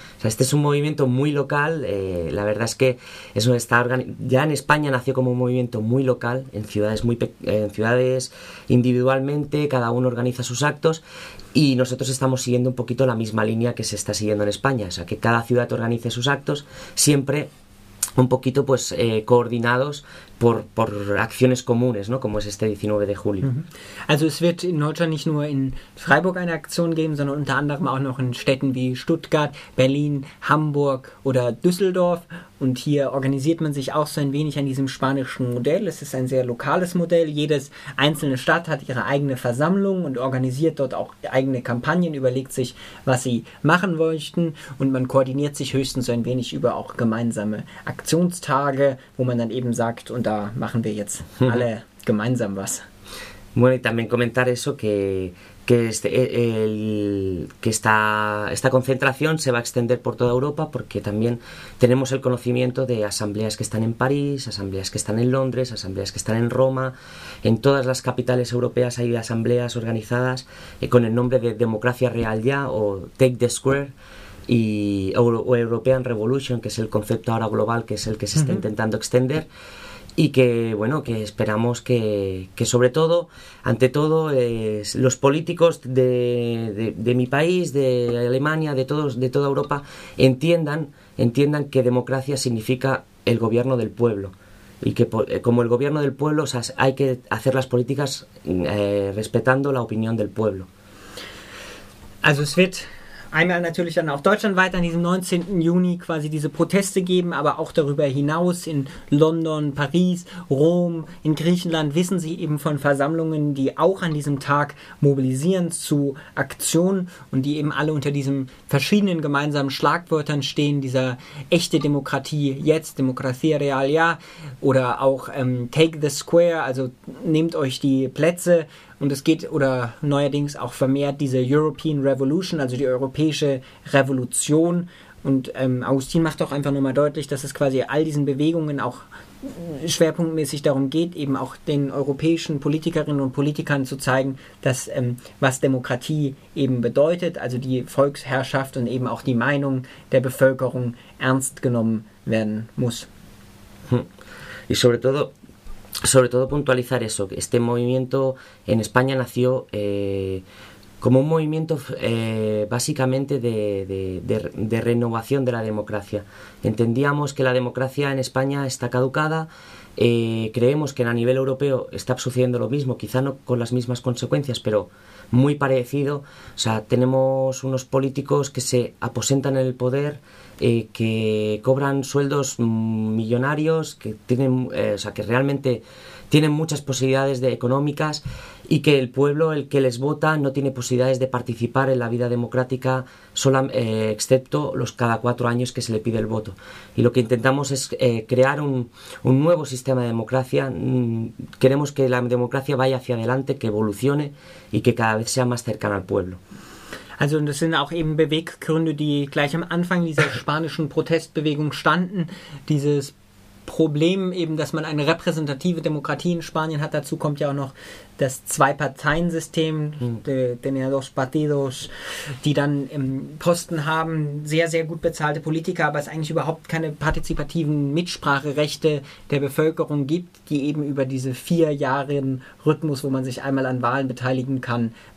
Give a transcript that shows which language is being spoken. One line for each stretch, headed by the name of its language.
Spanish: O sea, este es un movimiento muy local, la verdad es que eso está ya en España nació como un movimiento muy local, en ciudades individualmente, cada uno organiza sus actos, y nosotros estamos siguiendo un poquito la misma línea que se está siguiendo en España, o sea, que cada ciudad organice sus actos, siempre un poquito pues coordinados por acciones comunes, ¿no? Como es este 19 de julio.
German: Also es wird in Deutschland nicht nur in Freiburg eine Aktion geben, sondern unter anderem auch noch in Städten wie Stuttgart, Berlin, Hamburg oder Düsseldorf, Und hier organisiert man sich auch so ein wenig an diesem spanischen Modell. Es ist ein sehr lokales Modell. Jedes einzelne Stadt hat ihre eigene Versammlung und organisiert dort auch eigene Kampagnen, überlegt sich, was sie machen möchten. Und man koordiniert sich höchstens so ein wenig über auch gemeinsame Aktionstage, wo man dann eben sagt, und da machen wir jetzt alle gemeinsam was.
Spanish: Bueno, y también comentar eso, que esta concentración se va a extender por toda Europa, porque también tenemos el conocimiento de asambleas que están en París, asambleas que están en Londres, asambleas que están en Roma. En todas las capitales europeas hay asambleas organizadas con el nombre de Democracia Real Ya o Take the Square o European Revolution, que es el concepto ahora global, que es el que se está intentando extender. Y que, bueno, que esperamos que sobre todo, ante todo, los políticos de mi país, de Alemania, de toda Europa, entiendan que democracia significa el gobierno del pueblo. Y que como el gobierno del pueblo, o sea, hay que hacer las políticas respetando la opinión del pueblo.
German: Also es wird einmal natürlich dann auch deutschlandweit an diesem 19. Juni quasi diese Proteste geben, aber auch darüber hinaus in London, Paris, Rom, in Griechenland wissen sie eben von Versammlungen, die auch an diesem Tag mobilisieren zu Aktionen und die eben alle unter diesen verschiedenen gemeinsamen Schlagwörtern stehen, dieser echte Demokratie jetzt, Democracia Real Ya, oder auch Take the Square, also nehmt euch die Plätze. Und es geht, oder neuerdings auch vermehrt, diese European Revolution, also die europäische Revolution. Und Augustin macht auch einfach nochmal deutlich, dass es quasi all diesen Bewegungen auch schwerpunktmäßig darum geht, eben auch den europäischen Politikerinnen und Politikern zu zeigen, dass was Demokratie eben bedeutet, also die Volksherrschaft und eben auch die Meinung der Bevölkerung ernst genommen werden muss.
Spanish: Ich sobre todo... Sobre todo puntualizar eso, que este movimiento en España nació como un movimiento básicamente de renovación de la democracia. Entendíamos que la democracia en España está caducada, creemos que a nivel europeo está sucediendo lo mismo, quizá no con las mismas consecuencias, pero muy parecido. O sea, tenemos unos políticos que se aposentan en el poder, que cobran sueldos millonarios, que tienen, o sea, que realmente tienen muchas posibilidades económicas, y que el pueblo, el que les vota, no tiene posibilidades de participar en la vida democrática, excepto los cada cuatro años que se le pide el voto. Y lo que intentamos es crear un nuevo sistema de democracia. Queremos que la democracia vaya hacia adelante, que evolucione y que cada vez sea más cercana al pueblo.
German: Also das sind auch eben Beweggründe, die gleich am Anfang dieser spanischen Protestbewegung standen. Dieses Problem eben, dass man eine repräsentative Demokratie in Spanien hat. Dazu kommt ja auch noch das Zwei-Parteien-System,
Spanish: tener dos partidos,
German: die dann Posten haben, sehr, sehr gut bezahlte Politiker, aber es eigentlich überhaupt keine partizipativen Mitspracherechte der Bevölkerung gibt, die eben über diese 4-Jahre-Rhythmus, wo man sich einmal an Wahlen beteiligen kann.